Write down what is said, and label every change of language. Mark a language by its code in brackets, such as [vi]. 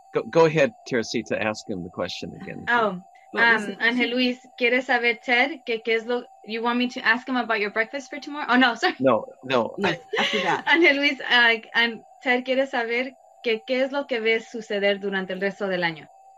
[en] Go ahead, Teresita, ask him the question again. [es] Oh, Angel Luis, ¿quieres saber, Ted, qué es lo... [en] You want me to ask him about your breakfast for tomorrow? Oh, no, sorry. No. [es] Angel Luis, Ted, ¿quieres saber qué es lo que ves suceder durante el resto del año?